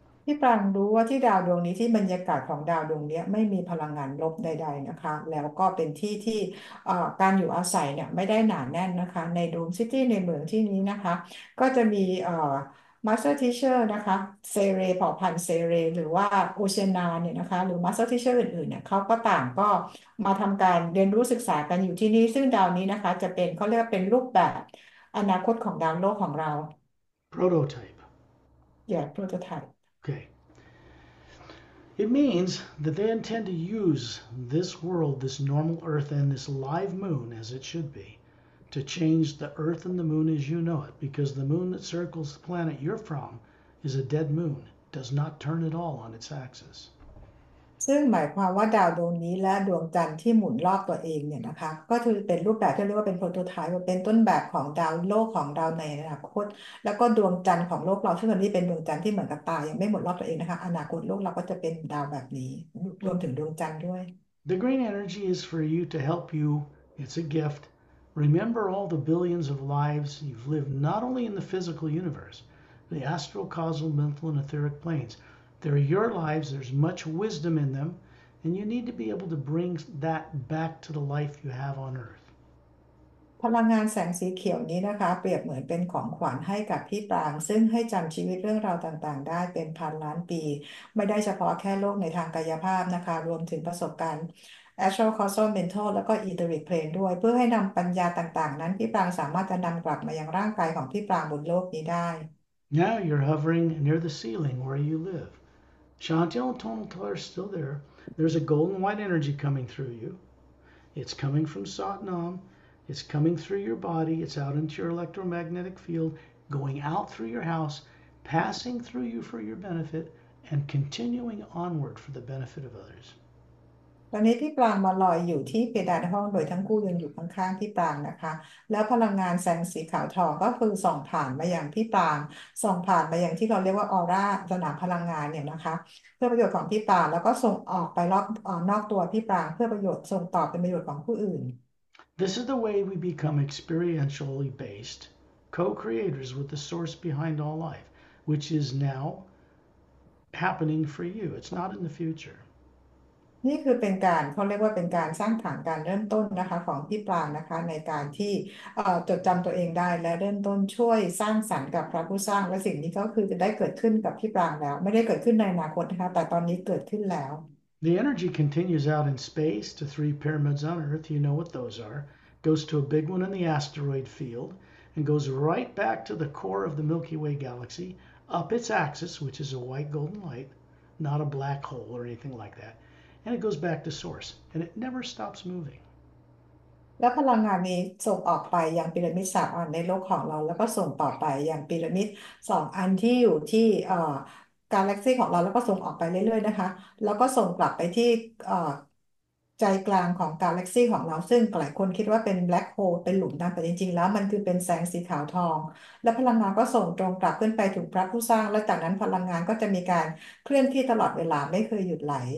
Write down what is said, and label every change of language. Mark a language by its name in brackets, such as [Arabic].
[Thai] พี่ปรางรู้ว่าที่ดาวดวงนี้ที่บรรยากาศของดาวดวงนี้ไม่มีพลังงานลบใดๆนะคะแล้วก็เป็นที่ที่การอยู่อาศัยเนี่ยไม่ได้หนาแน่นนะคะในโดมซิตี้ในเมืองที่นี้นะคะก็จะมีมาสเตอร์ทีเชอร์นะคะเซเรเผ่าพันธุ์เซเรหรือว่าโอเชนาเนี่ยนะคะหรือมาสเตอร์ทีเชอร์อื่นๆเนี่ยเขาก็ต่างก็มาทําการเรียนรู้ศึกษากันอยู่ที่นี่ซึ่งดาวนี้นะคะจะเป็นเขาเรียกเป็นรูปแบบอนาคตของดาวโลกของเรา [English] Prototype. [Thai] โปรโตไทป์ [English] Okay. It means that they intend to use this world, this normal Earth, and this live moon, as it should be, to change the Earth and the moon as you know it, because the moon that circles the planet you're from is a dead moon, does not turn at all on its axis. [Thai] ซึ่งหมายความว่าดาวดวงนี้และดวงจันทร์ที่หมุนรอบตัวเองเนี่ยนะคะก็คือเป็นรูปแบบที่เรียกว่าเป็นโปรโตไทป์เป็นต้นแบบของดาวโลกของดาวในอนาคตแล้วก็ดวงจันทร์ของโลกเราซึ่งตอนนี้เป็นดวงจันทร์ที่เหมือนกับตายยังไม่หมุนรอบตัวเองนะคะอนาคตโลกเราก็จะเป็นดาวแบบนี้รวมถึงดวงจันทร์ด้วย [English] The green energy is for you to help you. It's a gift. Remember all the billions of lives you've lived, not only in the physical universe, the astral, causal, mental, and etheric planes. They're your lives. There's much wisdom in them, and you need to be able to bring that back to the life you have on Earth. [Thai] พลังงานแสงสีเขียวนี้นะคะเปรียบเหมือนเป็นของขวัญให้กับพี่ปรางซึ่งให้จำชีวิตเรื่องราวต่างๆได้เป็นพันล้านปีไม่ได้เฉพาะแค่โลกในทางกายภาพนะคะรวมถึงประสบการณ์ [English] astral causal mental [Thai] แล้วก็ etheric plane ด้วยเพื่อให้นำปัญญาต่างๆนั้นพี่ปรางสามารถจะนำกลับมายังร่างกายของพี่ปรางบนโลกนี้ได้ [English] Now you're hovering near the ceiling where you live. Chantil and Tonaltol are still there. There's a golden white energy coming through you. It's coming from Satnam. It's coming through your body. It's out into your electromagnetic field, going out through your house, passing through you for your benefit, and continuing onward for the benefit of others. [Thai] ตอนนี้พี่ปรางมาลอยอยู่ที่เพดานห้องโดยทั้งคู่ยืนอยู่ข้างๆพี่ปรางนะคะแล้วพลังงานแสงสีขาวทองก็คือส่องผ่านมาอย่างพี่ปรางส่องผ่านมาอย่างที่เราเรียกว่าออร่าสนามพลังงานเนี่ยนะคะเพื่อประโยชน์ของพี่ปรางแล้วก็ส่งออกไปรอบนอกตัวพี่ปรางเพื่อประโยชน์ส่งต่อเป็นประโยชน์ของผู้อื่น [English] This is the way we become experientially based co-creators with the source behind all life, which is now happening for you. It's not in the future. [Thai] นี่คือเป็นการเขาเรียกว่าเป็นการสร้างฐานการเริ่มต้นนะคะของพี่ปรางนะคะในการที่จดจําตัวเองได้และเริ่มต้นช่วยสร้างสรรค์กับพระผู้สร้างและสิ่งนี้ก็คือจะได้เกิดขึ้นกับพี่ปรางแล้วไม่ได้เกิดขึ้นในอนาคตนะคะแต่ตอนนี้เกิดขึ้นแล้ว [English] The energy continues out in space to three pyramids on Earth. You know what those are. Goes to a big one in the asteroid field and goes right back to the core of the Milky Way galaxy, up its axis, which is a white golden light, not a black hole or anything like that. And it goes back to source and it never stops moving. [Thai] และพลังงานนี้ส่งออกไปยังพีระมิดสามอันในโลกของเราแล้วก็ส่งต่อไปยังพีระมิดสองอันที่อยู่ที่กาแล็กซีของเราแล้วก็ส่งออกไปเรื่อยๆนะคะแล้วก็ส่งกลับไปที่ใจกลางของกาแล็กซีของเราซึ่งหลายคนคิดว่าเป็นแบล็คโฮลเป็นหลุมดำแต่จริงๆแล้วมันคือเป็นแสงสีขาวทองและพลังงานก็ส่งตรงกลับขึ้นไปถึงพระผู้สร้างและจากนั้นพลังงานก็จะมีการเคลื่อนที่ตลอดเวลาไม่เคยหยุดไหล